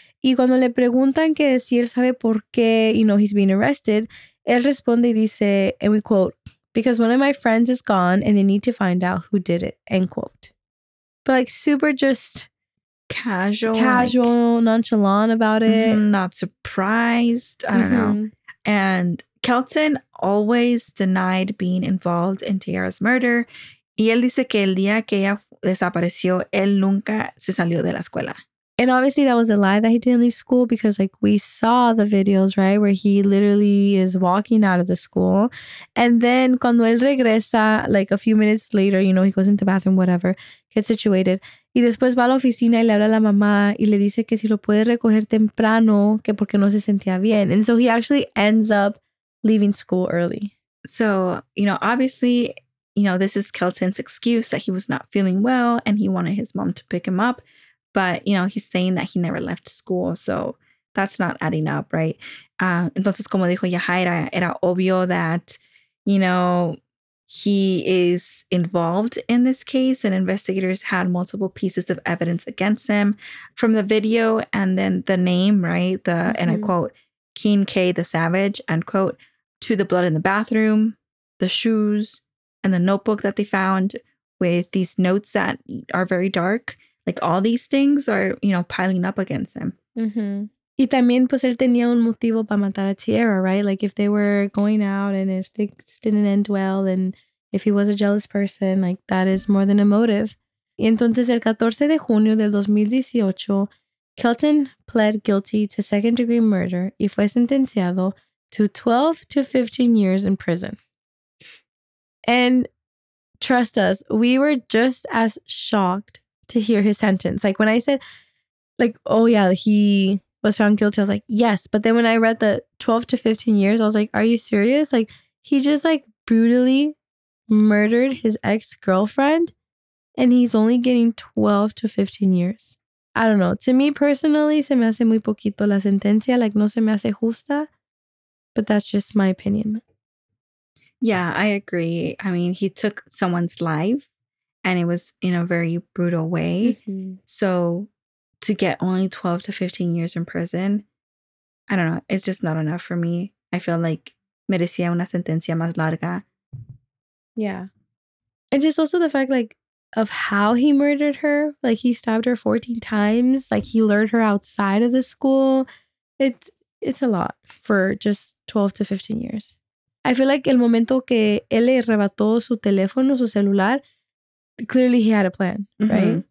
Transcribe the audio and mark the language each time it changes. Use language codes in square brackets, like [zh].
[es] Y cuando le preguntan que si él sabe por qué, [en] you know, he's being arrested, [es] él responde y dice, [en] and we quote, because one of my friends is gone and they need to find out who did it, end quote. But like super just casual, nonchalant about it. Not surprised. I don't know. And Kelton always denied being involved in Tierra's murder. [es] Y él dice que el día que ella desapareció, él nunca se salió de la escuela. [en] And obviously that was a lie that he didn't leave school because like we saw the videos, right? Where he literally is walking out of the school. And then [es] cuando él regresa, [en] like a few minutes later, you know, he goes into the bathroom, whatever, gets situated. [es] Y después va a la oficina y le habla a la mamá y le dice que si lo puede recoger temprano, que porque no se sentía bien. [en] And so he actually ends up leaving school early. So, you know, obviously, you know, this is Kelton's excuse that he was not feeling well and he wanted his mom to pick him up. But, you know, he's saying that he never left school. So that's not adding up, right? [es] Entonces, como dijo Yahaira, era obvio [en] that, you know, he is involved in this case and investigators had multiple pieces of evidence against him from the video and then the name, right? The, mm-hmm. and I quote, Keen K the Savage, end quote, to the blood in the bathroom, the shoes, and the notebook that they found with these notes that are very dark. Like all these things are, you know, piling up against him. [es] Mm-hmm. Y también, pues, él tenía un motivo para matar a Tierra, right? [en] Like if they were going out and if things didn't end well and if he was a jealous person, like that is more than a motive. [es] Y entonces, el 14 de junio del 2018, [en] Kelton pled guilty to second-degree murder [es] y fue sentenciado [en] to 12 to 15 years in prison. And trust us, we were just as shocked to hear his sentence. Like when I said, like, oh yeah, he was found guilty, I was like, yes. But then when I read the 12 to 15 years, I was like, are you serious? Like he just like brutally murdered his ex-girlfriend and he's only getting 12 to 15 years. I don't know. To me personally, [es] se me hace muy poquito la sentencia. [en] Like [es] no se me hace justa, [en] but that's just my opinion. Yeah, I agree. I mean, he took someone's life and it was in a very brutal way. Mm-hmm. So to get only 12 to 15 years in prison, I don't know. It's just not enough for me. I feel like [es] merecía una sentencia más larga. [en] Yeah. And just also the fact like of how he murdered her. Like he stabbed her 14 times. Like he lured her outside of the school. It's a lot for just 12 to 15 years. I feel like [es] el momento que él le arrebató su teléfono, su celular, [en] clearly he had a plan, mm-hmm. right?